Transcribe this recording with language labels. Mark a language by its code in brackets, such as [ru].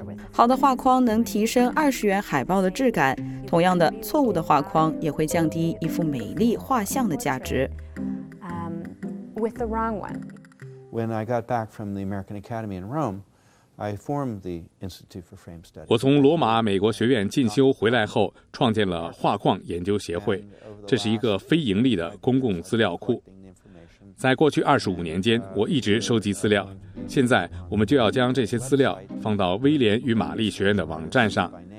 [zh] 好的画框能提升20元海报的质感，同样的，错误的画框也会降低一幅美丽画像的价值。 [en] with the wrong one. When I got back from the American Academy in Rome, I formed the Institute for Frame Studies. [zh] 我从罗马美国学院进修回来后，创建了画框研究协会，这是一个非盈利的公共资料库。在过去25年间，我一直收集资料。现在，我们就要将这些资料放到威廉与玛丽学院的网站上。